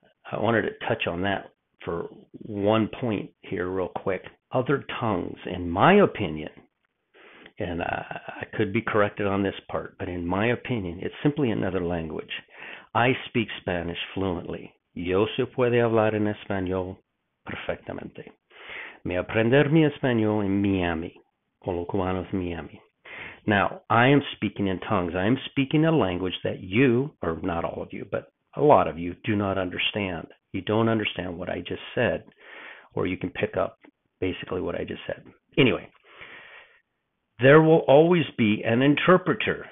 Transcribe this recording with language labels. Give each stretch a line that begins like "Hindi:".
English: I wanted to touch on that for one point here real quick. Other tongues, in my opinion, and I could be corrected on this part, but in my opinion, it's simply another language. I speak Spanish fluently.
Spanish: Yo se puede hablar en español perfectamente. Me aprender mi español en Miami, con los cubanos de Miami.
English: Now, I am speaking in tongues. I am speaking a language that you, or not all of you, but a lot of you, do not understand. You don't understand what I just said, or you can pick up basically what I just said. Anyway, there will always be an interpreter.